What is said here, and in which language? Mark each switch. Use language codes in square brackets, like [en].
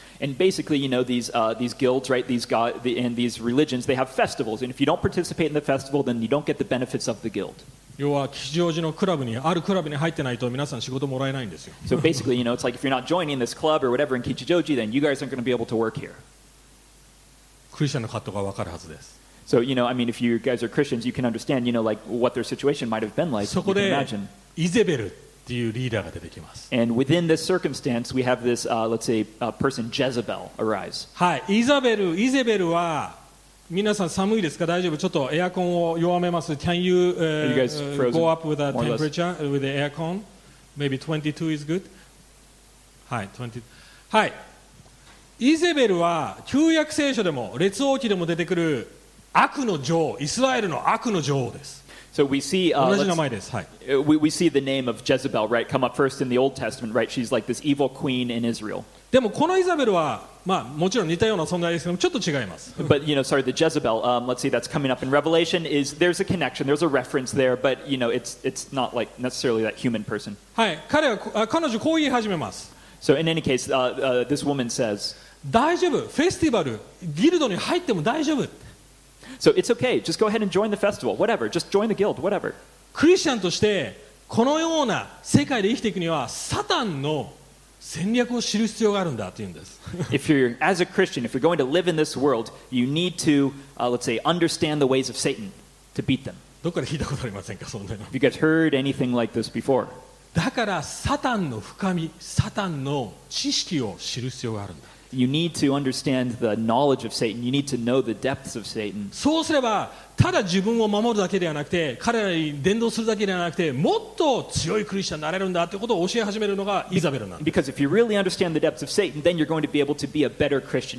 [en] And basically, you know, these guilds, right, these God, and these religions, they have festivals. And if you don't participate in the festival, then you don't get the benefits of the guild. [ja] 要は吉祥寺のクラブにあるクラブに入ってないと皆さん仕事もらえないんですよ。 [en] So basically, you know, it's like if you're not joining this club or whatever in Kichijoji, then you guys aren't going to be able to work here. [ja] クリスチャンの葛藤が分かるはずです。 [en] So, you know, I mean, if you guys are Christians, you can understand, you know, like what their situation might have been like. [ja] そこでイゼベルっていうリーダーが出てきます。 [en] And within this circumstance, we have this, let's say, person Jezebel arise. [ja] はい、イゼベルは皆さん寒いですか？大丈夫？ちょっとエアコンを弱めます。 [en] Can you, go up with the temperature with the aircon? Maybe 22 is good. はい、20. はい。 [ja] イゼベルは旧約聖書でも列王記でも出てくる悪の女王、イスラエルの悪の女王です。 [en] So we see, [ja] 同じ名前です。はい。 [en] We see the name of Jezebel, right, come up first in the Old Testament, right? She's like this evil queen in Israel. [ja] でもこのイザベルは、まあ、もちろん似たような存在ですけどもちょっと違います。 [en] But you know, sorry, the Jezebel, let's see, that's coming up in Revelation, is there's a connection, there's a reference there, but you know, it's not like necessarily that human person. [ja] はい、彼女こう言い始めます。 [en] So in any case, this woman says, [ja] 大丈夫、フェスティバル、ギルドに入っても大丈夫。 [en] So it's okay, just go ahead and join the festival, whatever, just join the guild, whatever. [ja] クリスチャンとしてこのような世界で生きていくにはサタンの戦略を知る必要があるんだって言うんです。 [en] If you're as a Christian, if you're going to live in this world, you need to, let's say, understand the ways of Satan to beat them. [ja] どこで聞いたことありませんか、そんなの。 [en] Have you guys heard anything like this before? [ja] だからサタンの深み、サタンの知識を知る必要があるんだ。 [en] You need to understand the knowledge of Satan. You need to know the depths of Satan. [ja] そうすれば、ただ自分を守るだけではなくて、彼らに伝道するだけではなくて、もっと強いクリスチャンになれるんだということを教え始めるのがイザベルなんです。 [en] Because if you really understand the depths of Satan, then you're going to be able to be a better Christian.